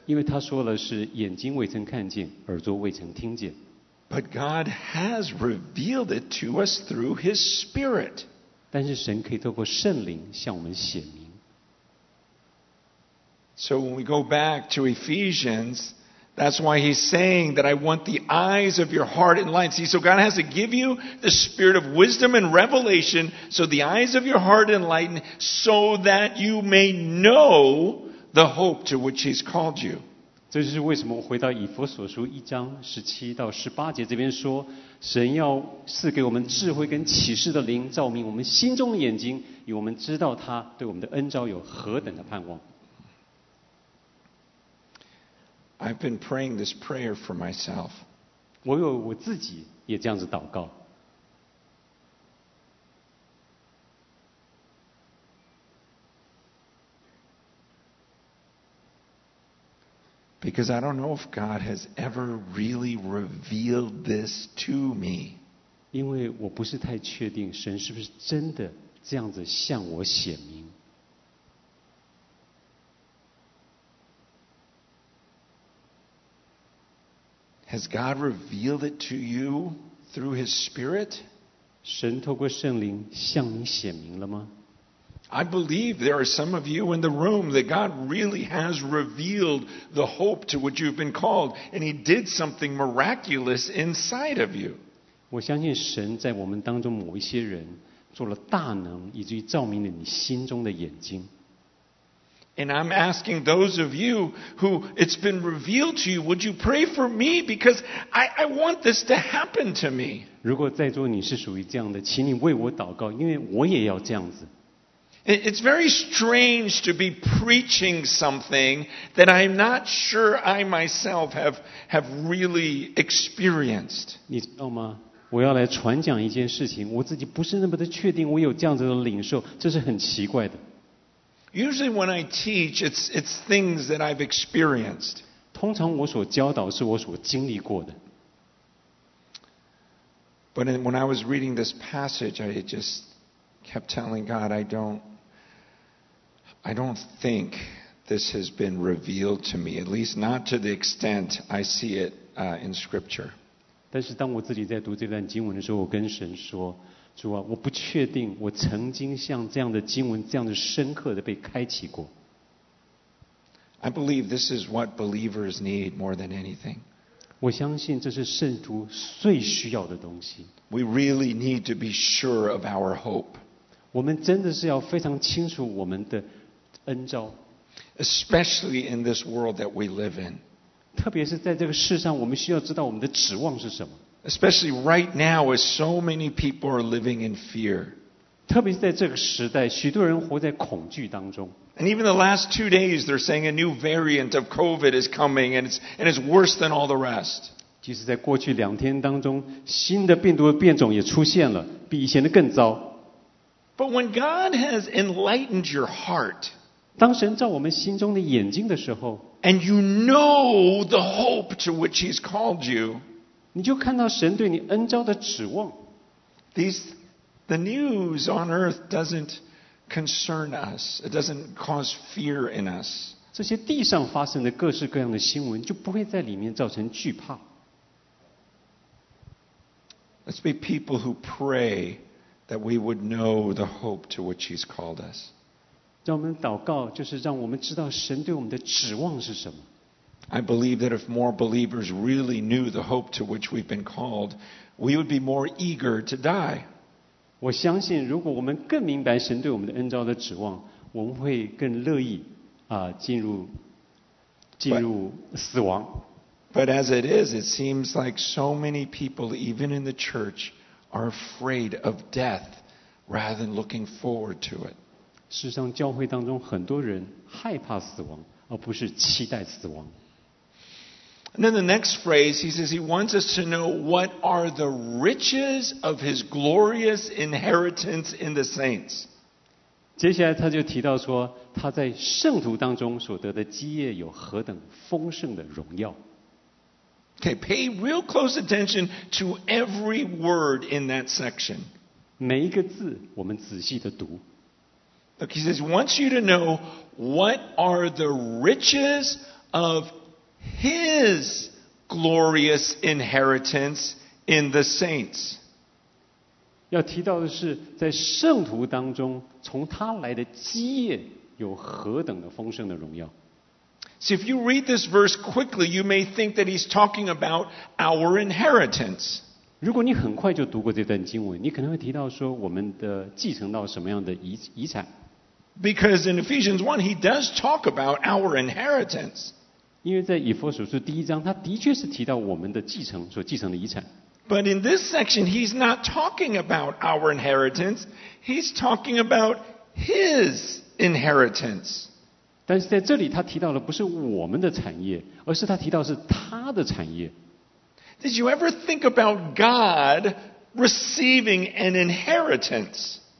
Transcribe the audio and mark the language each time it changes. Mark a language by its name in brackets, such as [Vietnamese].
[Chinese] 因为他说了是眼睛未曾看见，耳朵未曾听见。 [English] But God has revealed it to us through His Spirit. [Chinese] 但是神可以透过圣灵向我们显明。 [English] So when we go back to Ephesians,That's why he's saying that I want the eyes of your heart enlightened. See, so God has to give you the spirit of wisdom and revelation, so the eyes of your heart enlightened, so that you may know the hope to which he's called you. [Chinese] 这就是为什么回到以弗所书一章十七到十八节这边说，神要赐给我们智慧跟启示的灵，照明我们心中的眼睛，以我们知道他对我们的恩召有何等的盼望。 [English] I've been praying this prayer for myself. [Chinese] 我有我自己也这样子祷告。 [English] Because I don't know if God has ever really revealed this to me. [Chinese] 因为我不是太确定神是不是真的这样子向我显明。 [English] Has God revealed it to you through His Spirit? [Chinese] 神透过圣灵向你显明了吗？ [English] I believe there are some of you in the room that God really has revealed the hope to which you've been called, and He did something miraculous inside of you. [Chinese] 我相信神在我们当中某一些人做了大能，以至于照明了你心中的眼睛。 [English] And I'm asking those of you who it's been revealed to you, would you pray for me? Because I want this to happen to me. [Chinese] 如果在座你是属于这样的，请你为我祷告，因为我也要这样子。 [English] It's very strange to be preaching something that I'm not sure I myself have really experienced. [Chinese] 你知道吗？我要来传讲一件事情，我自己不是那么的确定我有这样子的领受，这是很奇怪的。 [English] Usually when I teach, it's things that I've experienced. [Chinese] 通常我所教导是我所经历过的。 [English] But when I was reading this passage, I just kept telling God, I don't think this has been revealed to me, at least not to the extent I see it in Scripture. [Chinese] 但是当我自己在读这段经文的时候，我跟神说，主啊，我不确定我曾经像这样的经文这样的深刻的被开启过。 [English] I believe this is what believers need more than anything. [Chinese] 我相信这是圣徒最需要的东西。 [English] We really need to be sure of our hope. [Chinese] 我们真的是要非常清楚我们的恩召。 [English] Especially in this world that we live in. [Chinese] 特别是在这个世上，我们需要知道我们的指望是什么。 [English] Especially right now, as so many people are living in fear. [Chinese] 特别是在这个时代，许多人活在恐惧当中。 [English] And even the last two days, they're saying a new variant of COVID is coming, and it's worse than all the rest. [Chinese] 即使在过去两天当中，新的病毒的变种也出现了，比以前的更糟。 [English] But when God has enlightened your heart, [Chinese] 当神照我们心中的眼睛的时候 [English] and you know the hope to which He's called you, [Chinese] 你就看到神对你恩召的指望 [English] the news on earth doesn't concern us, it doesn't cause fear in us. [Chinese] 这些地上发生的各式各样的新闻就不会在里面造成惧怕。 [English] Let's be people who pray. That we would know the hope to which He's called us. [Chinese] 让我们祷告，就是让我们知道神对我们的指望是什么。 [English] I believe that if more believers really knew the hope to which we've been called, we would be more eager to die. [Chinese] 我相信，如果我们更明白神对我们的恩召的指望，我们会更乐意进入死亡。 [English] But as it is, it seems like so many people, even in the church. Are afraid of death rather than looking forward to it. [Chinese] 事实上，教会当中很多人害怕死亡，而不是期待死亡。 [English] And then the next phrase, he says he wants us to know what are the riches of his glorious inheritance in the saints. [Chinese] 接下来他就提到说，他在圣徒当中所得的基业有何等丰盛的荣耀。 [English] Okay, pay real close attention to every word in that section. [Chinese] 每一个字我们仔细地读。 [English] Look, he says, he wants you to know what are the riches of his glorious inheritance in the saints. [Chinese] 要提到的是在圣徒当中从他来的基业有何等的丰盛的荣耀。 [English] See, if you read this verse quickly, you may think that he's talking about our inheritance. [Chinese] 如果你很快就读过这段经文，你可能会提到说我们的继承到什么样的遗产。 [English] Because in Ephesians 1, he does talk about our inheritance. [Chinese] 因为在以弗所书第一章，他的确是提到我们的继承，所继承的遗产。 [English] But in this section, he's not talking about our inheritance. He's talking about his inheritance. [Chinese] 但是在这里，他提到的不是我们的产业，而是他提到的是他的产业。 [English] Did you ever think about God receiving an inheritance?